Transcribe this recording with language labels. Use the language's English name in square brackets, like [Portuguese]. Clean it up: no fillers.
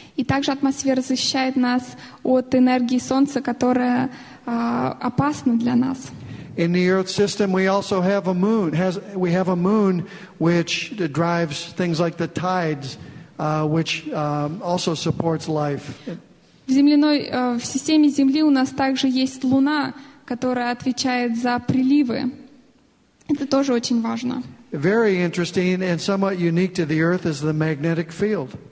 [Russian] И также атмосфера защищает нас от энергии солнца, которая опасна для нас. [English] In the Earth's system, we also have a moon. We have a moon which drives things like the tides, which also supports life. [Russian] В земляной в системе Земли у нас также есть Луна, которая отвечает за приливы. Это тоже очень важно. [English] Very interesting and somewhat unique to the Earth is the magnetic field.